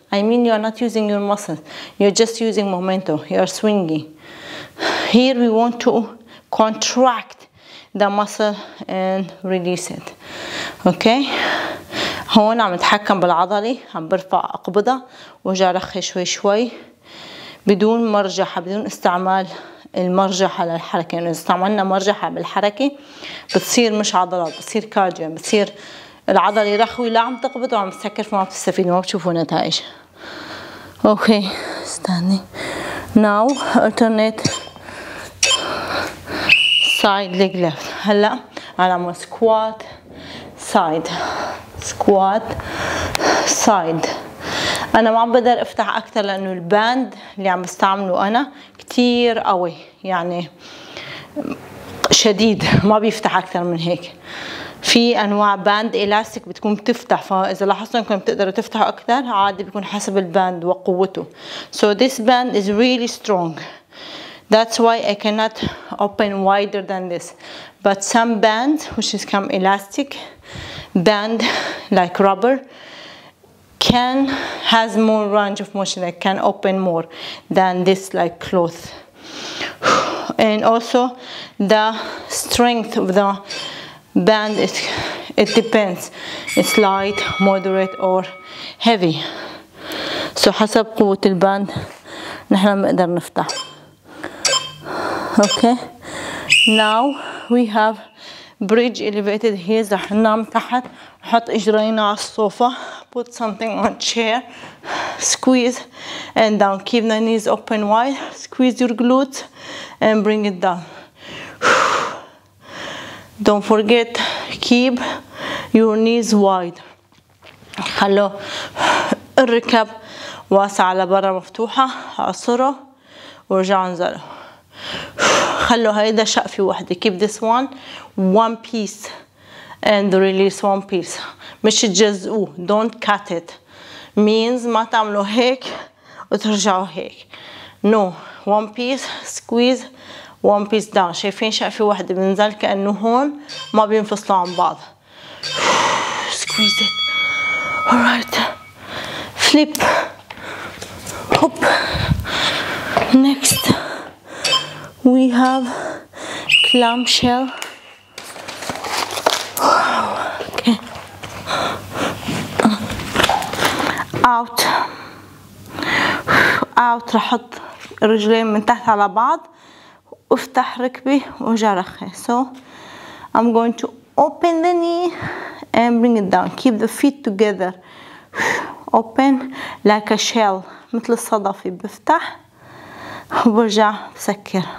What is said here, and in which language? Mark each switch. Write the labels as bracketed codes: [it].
[en] I mean you are not using your muscles. You're just using momentum. You are swinging. Here we want to contract the muscle and release it. [ar] Okay. هون عم اتحكم بالعضلة. عم برفع اقبضة وارجع رخي شوي شوي بدون مرجحة بدون استعمال المرجحة للحركة. يعني اذا استعملنا مرجحة بالحركة بتصير مش عضلات بتصير كارديو. يعني بتصير العضلة رخوي لا عم تقبض وعم تسكر فما بتستفيد ما بتشوفوا نتائج. [en] Okay. [ar] استني. [en] Now alternate side leg left. [ar] هلا على ما [en] squat side squat side. [ar] انا ما عم بقدر افتح اكثر لانه الباند اللي عم بستعمله انا كثير قوي يعني شديد ما بيفتح اكثر من هيك. في انواع باند الاستيك بتكون بتفتح فاذا لاحظتوا انكم بتقدروا تفتحوا اكثر عادي بيكون حسب الباند وقوته. [en] So this band is really strong. That's why I cannot open wider than this. But some band, which is come elastic band like rubber, can has more range of motion. It can open more than this like cloth. And also the strength of the band is it depends. It's light, moderate, or heavy. [ar] So حسب قوة الباند نحن بنقدر نفتح. [en] Okay, now we have bridge elevated heels. [ar] رح ننام تحت نحط اجرينا على الصوفة. [en] Put something on chair. Squeeze and down. Keep the knees open wide. Squeeze your glutes and bring it down. Don't forget, keep your knees wide. [ar] خلو الركب واسعة على برا مفتوحة. عصره ورجع انزله. خلوا هيدا شقفة واحدة. [en] Keep this one piece and release one piece. [ar] مش تجزقوه. [en] Don't cut it. [ar] Means ما تعملوا هيك وترجعوا هيك. [en] No. One piece squeeze one piece down. [ar] شايفين شقفة واحدة بنزل كأنه هون ما بينفصلوا عن بعض. [en] Squeeze it. Alright. Flip. Hop. Next. We have clamshell. Okay. Out. Out. [ar] رح احط رجلين من تحت على بعض وافتح ركبي وارجع رخي. [en] So I'm going to open the knee and bring it down. Keep the feet together. open like a shell, [ar] مثل الصدفي بفتح وبرجع بسكر.